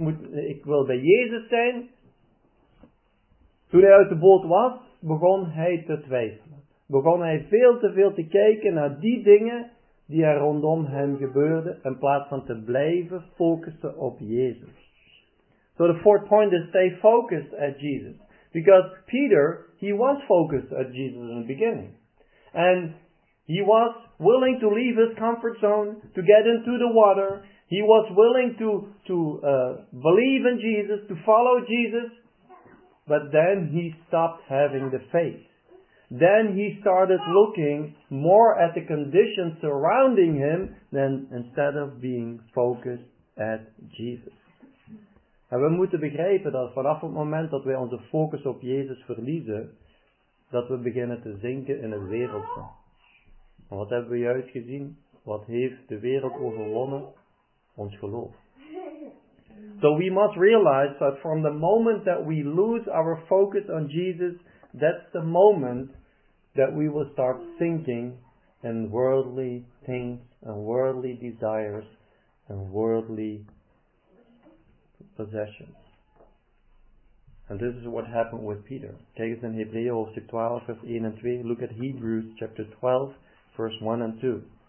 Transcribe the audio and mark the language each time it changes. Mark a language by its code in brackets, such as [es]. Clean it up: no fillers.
[nl] Ik wil bij Jezus zijn. Toen hij uit de boot was, begon hij te twijfelen. Begon hij veel te veel te kijken naar die dingen die er rondom hem gebeurden. In plaats van te blijven focussen op Jezus. [en] So the fourth point is stay focused at Jesus. Because Peter, he was focused at Jesus in the beginning. And he was willing to leave his comfort zone, to get into the water. He was willing to believe in Jesus, to follow Jesus. But then he stopped having the faith. Then he started looking more at the conditions surrounding him than instead of being focused at Jesus. [nl] En we moeten begrijpen dat vanaf het moment dat wij onze focus op Jezus verliezen, dat we beginnen te zinken in het wereldse. En wat hebben we juist gezien? Wat heeft de wereld overwonnen? Ons geloof. [en] So we must realize that from the moment that we lose our focus on Jesus, that's the moment that we will start sinking in worldly things, and worldly desires, and worldly possessions. And this is what happened with Peter. [nl] Kijk eens in Hebreeën hoofdstuk 12, vers 1 en 2. [en] Look at Hebrews chapter 12, verse 1 and 2.